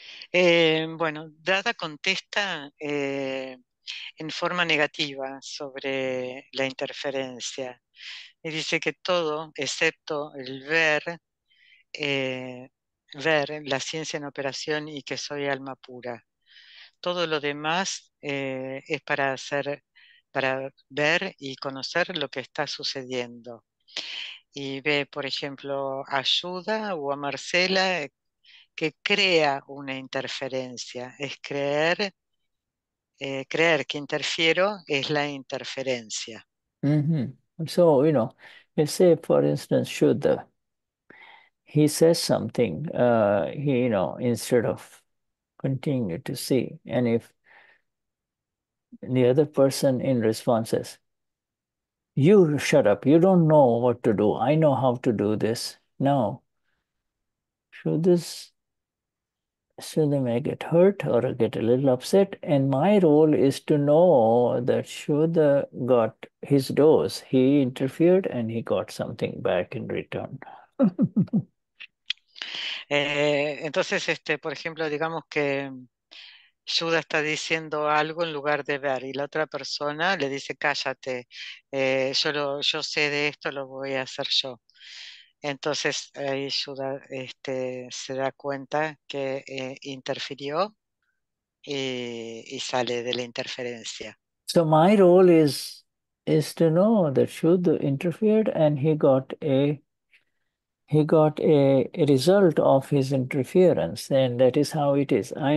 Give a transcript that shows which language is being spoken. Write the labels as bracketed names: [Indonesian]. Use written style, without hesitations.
[Spanish] Bueno, Dada contesta en forma negativa sobre la interferencia y dice que todo, excepto el ver, ver la ciencia en operación y que soy alma pura, todo lo demás es para hacer, para ver y conocer lo que está sucediendo. Y ve, por ejemplo, a Shuddha o a Marcela que crea una interferencia, es creer, creer que interfiero es la interferencia. Mm-hmm. [English] So, you know, let's say, for instance, Shuddha, he says something, he, you know, instead of continue to see, and if the other person in response says, you shut up, you don't know what to do, I know how to do this. No. Shuddha's, so they may get hurt or get a little upset. And my role is to know that Shuddha got his dose. He interfered and he got something back in return. [Spanish] entonces, por ejemplo, digamos que Shuddha está diciendo algo en lugar de ver, y la otra persona le dice, cállate, yo sé de esto, lo voy a hacer yo. Entonces ahí Shuddha se da cuenta que interfirió y sale de la interferencia. [English] So my role is to know that Shuddha interfered and he got a result of his interference, and that is how it is.